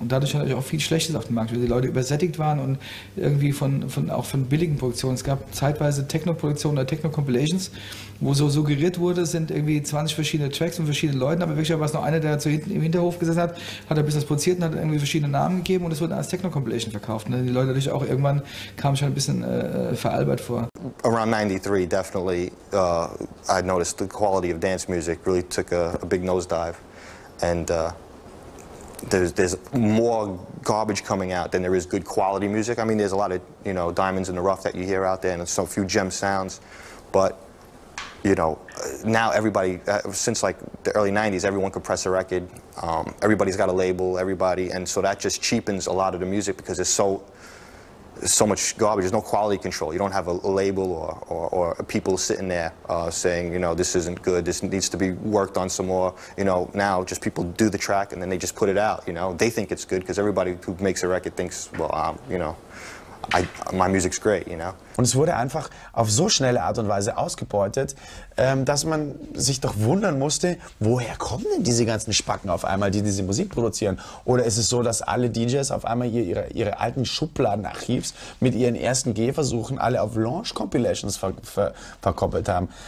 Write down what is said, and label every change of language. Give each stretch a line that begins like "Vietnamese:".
German: Und dadurch hat auch viel Schlechtes auf den Markt, weil die Leute übersättigt waren und irgendwie auch von billigen Produktionen. Es gab zeitweise Techno-Produktionen oder Techno-Compilations, wo so suggeriert wurde, sind irgendwie 20 verschiedene Tracks von verschiedenen Leuten, aber wirklich war es nur einer, der so hinten im Hinterhof gesessen hat, hat ein bisschen produziert und hat irgendwie verschiedene Namen gegeben und es wurde als Techno-Compilation verkauft. Und die Leute natürlich auch irgendwann kamen schon ein bisschen veralbert vor.
English: Around 93 definitely I noticed the quality of dance music really took a big nosedive, and there's more garbage coming out than there is good quality music. I mean, there's a lot of, you know, diamonds in the rough that you hear out there and so few gem sounds, but you know, now everybody, since like the early 90s, everyone could press a record. Everybody's got a label, everybody, and so that just cheapens a lot of the music because it's so much garbage. There's no quality control. You don't have a label or people sitting there saying, you know, this isn't good, this needs to be worked on some more. You know, now just people do the track and then they just put it out, you know. They think it's good because everybody who makes a record thinks, well, you know, my music's great, you know.
German: Und es wurde einfach auf so schnelle Art und Weise ausgebeutet, dass man sich doch wundern musste, woher kommen denn diese ganzen Spacken auf einmal, die diese Musik produzieren? Oder ist es so, dass alle DJs auf einmal ihre alten Schubladenarchivs mit ihren ersten Gehversuchen alle auf Launch Compilations verkoppelt haben?